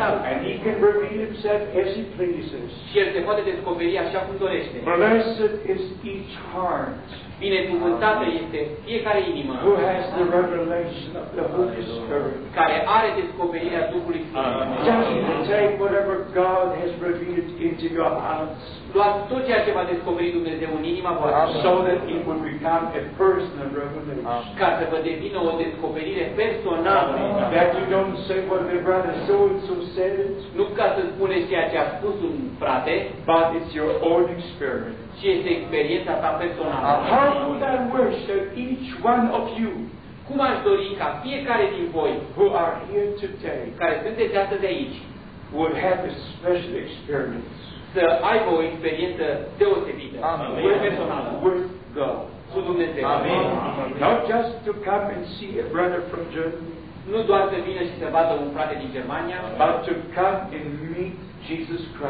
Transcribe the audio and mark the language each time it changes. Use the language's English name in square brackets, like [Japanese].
[English] And he can reveal himself as he pleases. [Romanian] Și el se poate descoperi așa cum dorește. [English] Blessed is each heart. [Romanian] Binecuvântată este fiecare inimă. [English] Who has the revelation of the Holy Spirit. [Romanian] Care are descoperirea Duhului Sfânt. [English] Just take whatever God has revealed into your hearts. [Romanian] Luați tot ceea ce va descoperi Dumnezeu în inima voastră. [English] so that it would become a personal revelation. [Romanian] Ca să vă devină o descoperire personală. [English] That you don't say what the brother so and so said. [Romanian] Nu ca să spuneți ceea ce a spus un frate. [English] But it's your own experience. [Romanian] Ci este experiența ta personală. [English] How would I wish that each one of you, [Romanian] cum aș dori ca fiecare din voi, [English] who are here today, [Romanian] care sunteți astăzi de aici, [English] would have a special experience, [Romanian] să aibă o experiență deosebită, personală, [English] with God, [Romanian] cu Dumnezeu. [English] Amen. Not just to come and see a brother from Germany, [Romanian] nu doar să vină și să vadă un frate din Germania, [English] but to come and meet Jesus